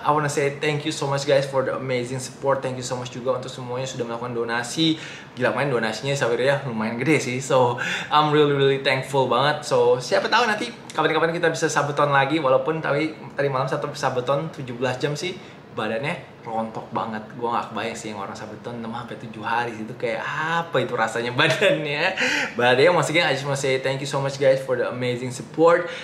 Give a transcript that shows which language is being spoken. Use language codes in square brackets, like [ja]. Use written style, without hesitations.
[en] I wanna say thank you so much guys for the amazing support. Thank you so much [id] juga untuk semuanya sudah melakukan donasi. Gila main donasinya sebenarnya lumayan gede sih. [en] So I'm really really thankful [id] banget. So siapa tahu nanti kapan-kapan kita bisa sabeton lagi. Walaupun tadi malam satu sabeton 17 jam sih, badannya rontok banget. Gua gak kebayang sih yang orang sabeton 6-7 hari itu kayak apa itu rasanya badannya. [en] But yeah, once again I just wanna say thank you so much guys for the amazing support.